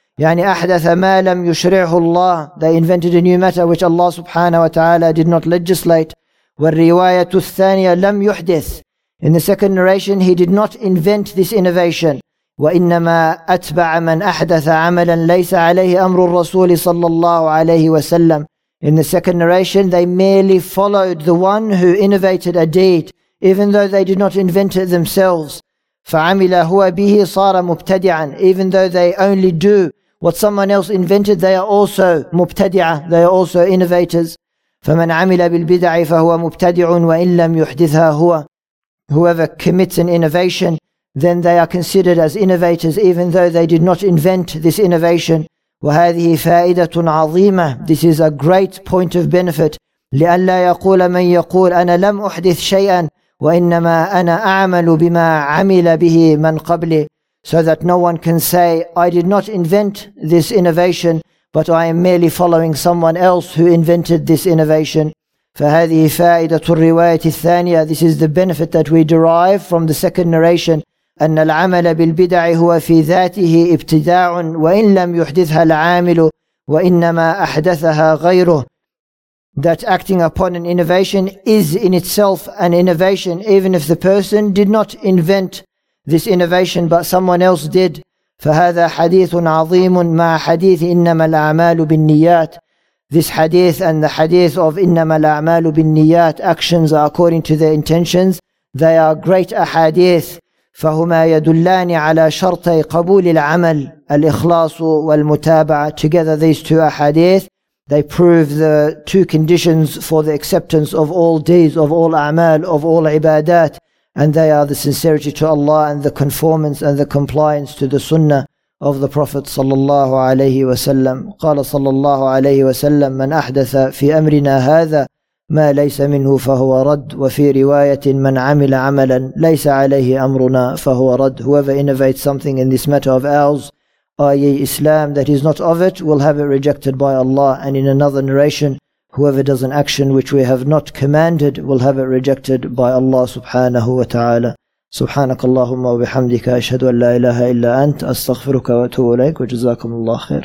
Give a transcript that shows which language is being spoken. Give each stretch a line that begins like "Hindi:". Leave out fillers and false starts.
Arabic: يعني أحدث ما لم يشرعه الله.
English: They invented a new matter which Allah subhanahu wa ta'ala did not legislate.
Arabic: والرواية الثانية لم يحدث.
English: In the second narration, he did not invent this innovation.
Arabic: وإنما أتبع من أحدث عملا ليس عليه أمر الرسول صلى الله عليه وسلم.
English: In the second narration, they merely followed the one who innovated a deed, even though they did not invent it themselves.
Arabic: فَعَمِلَ هُوَ بِهِ صَارَ مُبْتَدِعًا.
English: Even though they only do what someone else invented, they are also مُبْتَدِعًا. They are also innovators.
Arabic: فَمَنْ عَمِلَ بِالْبِدَعِ فَهُوَ مُبْتَدِعٌ وَإِنْ لَمْ يُحْدِثْهَا هُوَ.
English: Whoever commits an innovation, then they are considered as innovators, even though they did not invent this innovation.
Arabic: وهذه فائدة عظيمة.
English: This is a great point of benefit.
Arabic: لأن لا يقول من يقول أنا لم أحدث شيئا وإنما أنا أعمل بما عمل به من قبلي.
English: So that no one can say, I did not invent this innovation, but I am merely following someone else who invented this innovation.
Arabic: فهذه فائدة الرواية الثانية.
English: This is the benefit that we derive from the second narration.
Arabic: أن العمل بالبدع هو في ذاته ابتداع وإن لم يحدثها العامل وإنما أحدثها غيره.
English: That acting upon an innovation is in itself an innovation, even if the person did not invent this innovation but someone else did.
Arabic: فهذا حديث عظيم مع حديث إنما الأعمال بالنيات.
English: This hadith and the hadith of
Arabic: إنما الأعمال بالنيات,
English: actions are according to their intentions, they are great ahadith.
Arabic: فهما يدلان على شرطي قبول العمل الإخلاص والمتابعة.
English: Together these two ahadith, they prove the two conditions for the acceptance of all deeds, of all a'mal, of all ibadat, and they are the sincerity to Allah and the conformance and the compliance to the sunnah of the Prophet صلى الله عليه وسلم.
Arabic: قال صلى الله عليه وسلم من أحدث في أمرنا هذا ما ليس منه فهو رد. وفي رواية من عمل عملا ليس عليه أمرنا فهو رد.
English: Whoever innovates something in this matter of ours, i.e. Islam, that is not of it, will have it rejected by Allah. And in another narration, whoever does an action which we have not commanded will have it rejected by Allah subhanahu wa ta'ala.
Arabic: سبحانك اللهم وبحمدك أشهد أن لا إله إلا أنت أستغفرك وأتوب إليك وجزاكم الله خير.